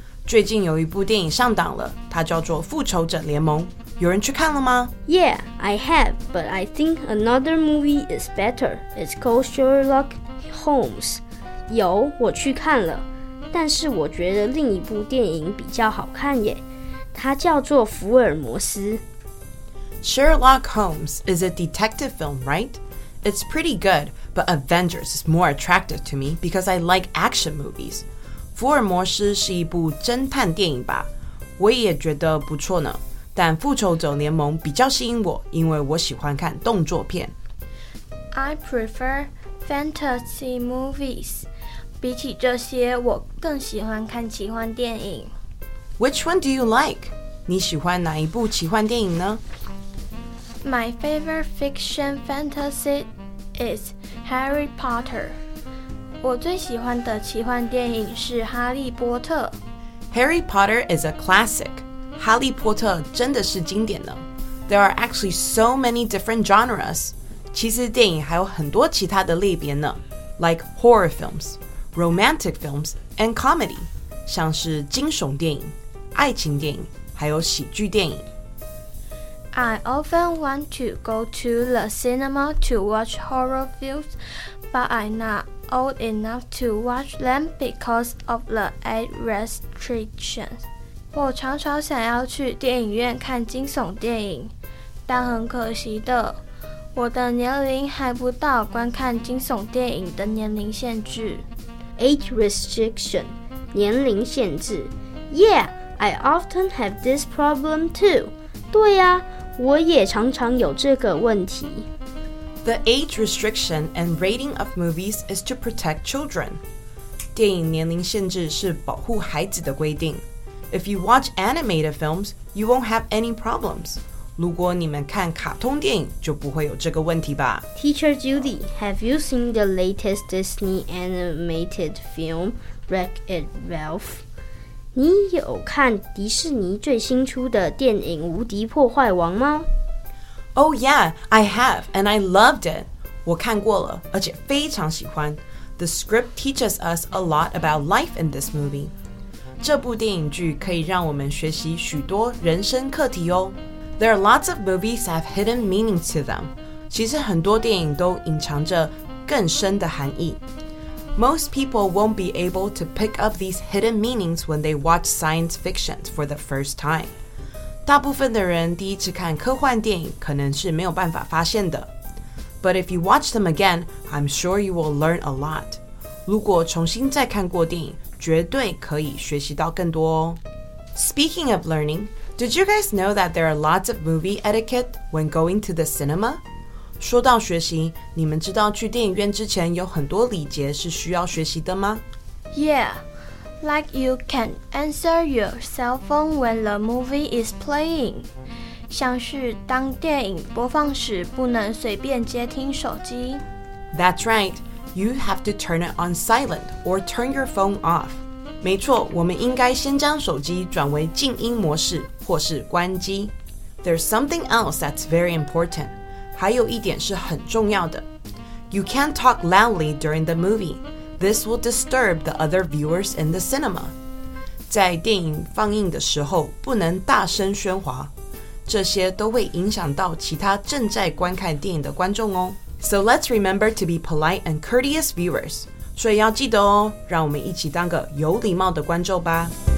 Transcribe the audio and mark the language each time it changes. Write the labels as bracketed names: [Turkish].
[Chinese] 最近有一部电影上档了，它叫做复仇者联盟，有人去看了吗？ [English] Yeah, I have, but I think another movie is better. It's called Sherlock Holmes. [Chinese] 有，我去看了，但是我觉得另一部电影比较好看耶，它叫做福尔摩斯。 [English] Sherlock Holmes is a detective film, right? It's pretty good, but Avengers is more attractive to me because I like action movies. [Chinese] 福尔摩斯是一部侦探电影吧，我也觉得不错呢，但复仇者联盟比较吸引我，因为我喜欢看动作片。 [English] I prefer fantasy movies. [Chinese] 比起这些，我更喜欢看奇幻电影。 [English] Which one do you like? [Chinese] 你喜欢哪一部奇幻电影呢？ [English] My favorite fiction fantasy is Harry Potter. [Chinese] 我最喜欢的奇幻电影是哈利波特。 [English] Harry Potter is a classic. [Chinese] 哈利波特真的是经典呢。 [English] There are actually so many different genres. [Chinese] 其实电影还有很多其他的类别呢， [English] like horror films, romantic films, and comedy. [Chinese] 像是惊悚电影、爱情电影，还有喜剧电影。 [English] I often want to go to the cinema to watch horror films, but I'm not old enough to watch them because of the age restrictions. [Chinese] 我常常想要去电影院看惊悚电影，但很可惜的，我的年龄还不到观看惊悚电影的年龄限制。 [English] Age restriction, [Chinese] 年龄限制。 [English] Yeah, I often have this problem too. [Chinese] 对呀，我也常常有这个问题。 [English] The age restriction and rating of movies is to protect children. [Chinese] 电影年龄限制是保护孩子的规定。 [English] If you watch animated films, you won't have any problems. [Chinese] 如果你们看卡通电影，就不会有这个问题吧。 [English] Teacher Judy, have you seen the latest Disney animated film, Wreck-It Ralph? [Chinese] 你有看迪士尼最新出的电影《无敌破坏王》吗？ [English] Oh yeah, I have, and I loved it. [Chinese] 我看过了，而且非常喜欢。 [English] The script teaches us a lot about life in this movie. [Chinese] 这部电影剧可以让我们学习许多人生课题哦。 [English] There are lots of movies that have hidden meanings to them. [Chinese] 其实很多电影都隐藏着更深的含义。 [English] Most people won't be able to pick up these hidden meanings when they watch science fiction for the first time. [Chinese] 大部分的人第一次看科幻电影可能是没有办法发现的。 [English] But if you watch them again, I'm sure you will learn a lot. [Chinese] 如果重新再看过电影，绝对可以学习到更多哦。 [English] Speaking of learning, did you guys know that there are lots of movie etiquette when going to the cinema? [Chinese] 说到学习，你们知道去电影院之前有很多礼节是需要学习的吗？ [English] Yeah, like you can answer your cell phone when the movie is playing. [Chinese] 像是当电影播放时不能随便接听手机。 [English] That's right. You have to turn it on silent or turn your phone off. [Chinese] 没错，我们应该先将手机转为静音模式或是关机。 [English] There's something else that's very important. [Chinese] 还有一点是很重要的。 [English] You can't talk loudly during the movie. This will disturb the other viewers in the cinema. [Chinese] 在电影放映的时候不能大声喧哗，这些都会影响到其他正在观看电影的观众哦。 [English] So let's remember to be polite and courteous viewers. [Chinese] 所以要记得哦，让我们一起当个有礼貌的观众吧。